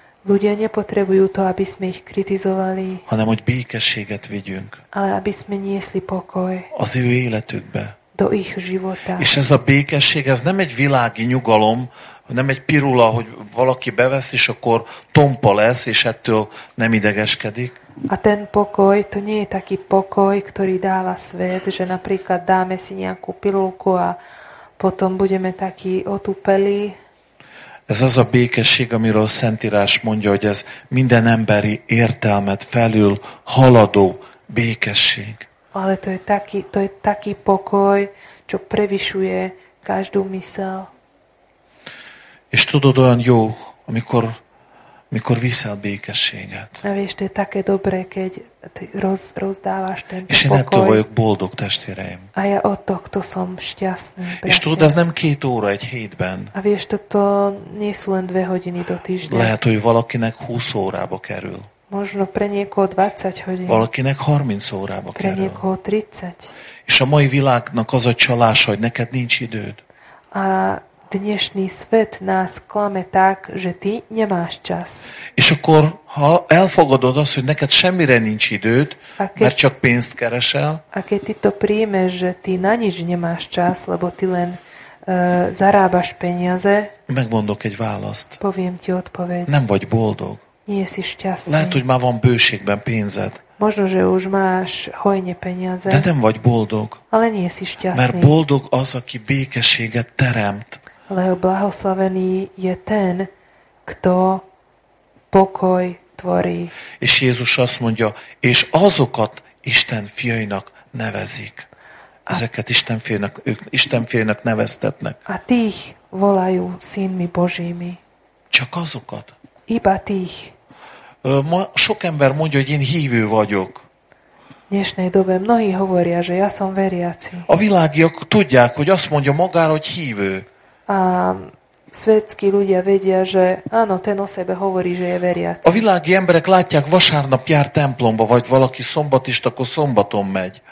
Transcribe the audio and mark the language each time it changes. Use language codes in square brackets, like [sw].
[sk] Ľudia nepotrebujú to, aby sme ich kritizovali. [hu] Hanem, hogy békességet vigyünk. [sk] Ale aby sme niesli pokoj. [hu] Az ő életükbe. [sk] Do ich života. [hu] És ez a békesség, ez nem egy világi nyugalom, nem egy pirula, hogy valaki bevesz, és akkor tompa lesz, és ettől nem idegeskedik. [sk] A ten pokoj, to nie je taký pokoj, ktorý dáva svet, že napríklad dáme si nejakú pirulku a potom budeme takí otupeli. [hu] Ez az a békesség, amiről Szentírás mondja, hogy ez minden emberi értelmet felül haladó békesség. [sk] Ale to je taký pokoj, čo prevyšuje každú myseľ. [hu] És tudod, olyan jó, amikor viszel békességet. [sk] A vieš, to je také dobré, keď rozdávaš ten pokoj. [hu] És én ettől vagyok boldog, testvéreim. [sk] A ja od tohto som šťastný, bratia. [hu] És tudod, ez nem két óra egy hétben. [sk] A vieš, toto nie sú len dve hodiny do týždňa. [hu] Lehet, hogy valakinek 20 órába kerül. [sk] Možno pre niekoho 20 hodín. [hu] Valakinek 30 órába kerül. [sk] Pre niekoho 30. [hu] És a mai világnak az a csalása, hogy neked nincs időd. [sk] A dnešný svet nás klame tak, že ty nemáš čas. [hu] És akkor, ha elfogadod azt, hogy neked semmire nincs időd, mert csak pénzt keresel. [sk] A keď ty to príjmeš, že ty na nič nemáš čas, lebo ty len zarábaš peniaze. [hu] Megmondok egy választ. [sk] Poviem ti odpoveď. [hu] Nem vagy boldog. [sk] Nie si šťastný. [hu] Lehet, hogy már van bőségben pénzed. [sk] Možno, že už máš hojne peniaze. [hu] De nem vagy boldog. [sk] Ale nie si šťastný. [hu] Mert boldog az, aki békességet teremt. [sk] Lebo blahoslavený je ten, kto pokoj tvorí. [hu] És Jézus azt mondja, és azokat Isten fiainak nevezik. Ezeket Isten fiainak neveztetnek. [sk] A tých volajú synmi Božími. [hu] Csak azokat. [sk] Iba tých. [hu] Ma sok ember mondja, hogy én hívő vagyok. [sk] Dnešnej dobe mnohí hovoria, že ja som veriaci. [hu] A világiak tudják, hogy azt mondja magára, hogy hívő. [sk] A svetskí ľudia vedia, že áno, ten o sebe hovorí, že je veriaci. [hu] A világi emberek látják, vasárnap jár templomba, vagy valaki szombatista, akkor szombaton megy.